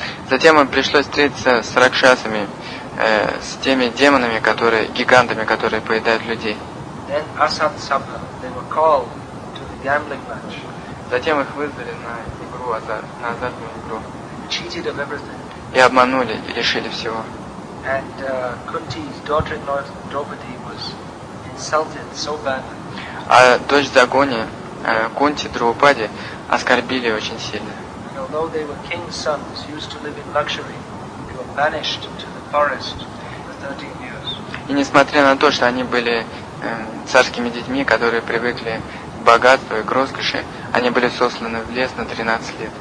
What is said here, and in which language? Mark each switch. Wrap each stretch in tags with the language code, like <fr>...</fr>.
<ru>Затем им пришлось встретиться с ракшасами, с теми демонами, которые, гигантами, которые поедают людей.</ru> <en>Then Asat Sabha, they were called to the gambling match.</en> <ru>Затем их вызвали на игру, на азартную игру.</ru> <en>Cheated of everything.</en> <ru>И обманули, и лишили всего.</ru> <en>And Kunti's daughter-in-law Draupadi was insulted so badly.</en> <ru>А дочь Дагони, Кунти Драупади, оскорбили очень сильно.</ru> <en>Although they were king's sons, used to live in luxury, they were banished to the forest for 13 years.</en> <ru>И несмотря на то, что они были царскими детьми, которые привыкли к богатству и к роскоши, они были сосланы в лес на 13 лет.</ru>